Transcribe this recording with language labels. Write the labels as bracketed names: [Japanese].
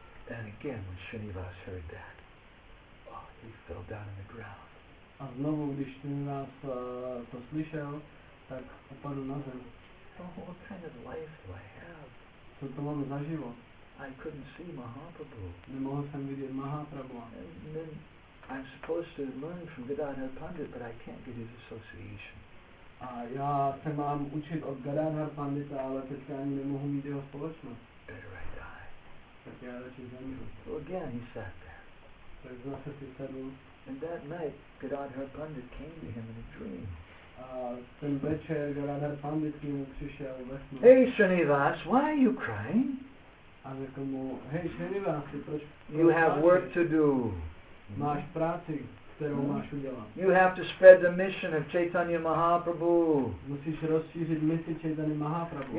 [English] And again, when Srinivas heard that, oh, he fell down on the ground. [Czech] A znovu, když Srinivas to slyšel, tak upadl na zem. [English] Oh, what kind of life do I have? [Czech] Co to mám za život? [English] I couldn't see Mahaprabhu. [Czech] Nemohl jsem vidět Mahaprabhu. [English] And then I'm supposed to learn from Gadadhar Pandit, but I can't get his association. [Czech] A já se mám učit od Gadadhar Pandita, ale teďka ani nemohu mít jeho společnost. [English] Better I die. [Czech] Tak já radši zemřu. [English] So again he sat there. [Czech] Tak zase si sedl. [English] And that night Gadadhar Pandit came to him in a dream. [Czech] Ten večer Gadadhar Pandit k němu přišel ve snu. [English] Hey Srinivas, why are you crying? [Czech] A řekl mu, hej Srinivas, proč [English] you have [Czech] práci? [English] Work to do. [Czech] Máš práci, kterou máš udělat. [English] You have to spread the mission of Chaitanya Mahaprabhu. [Czech] Musíš rozšířit misi Chaitanya Mahaprabhu.